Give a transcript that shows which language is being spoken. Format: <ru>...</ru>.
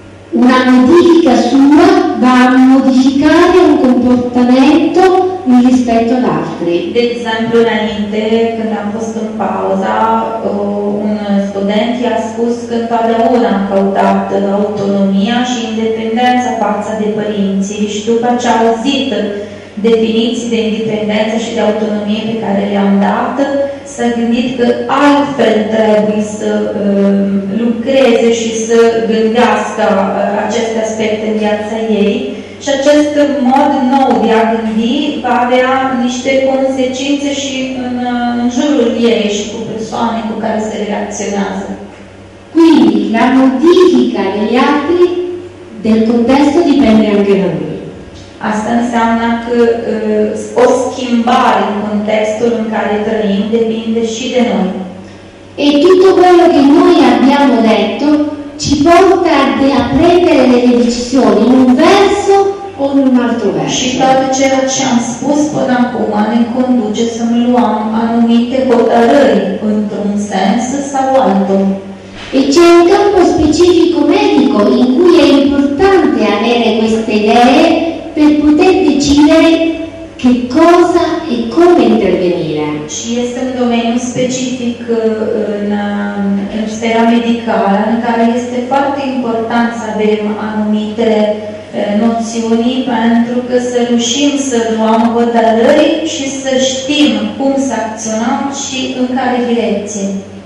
<it>Una modifica sua va a modificare un comportamento in rispetto ad altri. Ad esempio, niente, quando ho fatto una pausa, un studente ha</it> <ro>spus</ro> <it>che</it> <ro>totdeauna</ro> <it>ha cautato autonomia e indipendenza</it> <ro>fața de părinții.</ro> <it>E dopo</it> <ro>ce ha auzito definiții de independență și de autonomie pe care le-am dat, s-a gândit că altfel trebuie să lucreze și să gândească aceste aspecte în viața ei și acest mod nou de a gândi va avea niște consecințe și în jurul ei și cu persoanele cu care se relaționează.</ro> <it>Quindi, la modifica degli altri del contesto dipende anche da noi.</it> <ro>Asta înseamnă că o schimbare în contextul în care trăim depinde și de noi.</ro> <it>E tutto quello che noi abbiamo detto ci porta a prendere delle decisioni in un verso o in un altro verso.</it> <ro>Și tot ceea ce am spus până acum ne conduce să ne luăm anumite hotărâri într-un sens sau altul.</ro> <it>E c'è un campo specifico medico in cui è importante avere queste idee per poter decidere che cosa e come intervenire.</it> <ro>Și este un domeniu specific în sfera medicală, în care este foarte important să avem anumite noțiuni pentru că să reușim să luăm hotărâri și să știm cum să acționăm și în care direcție.</ro>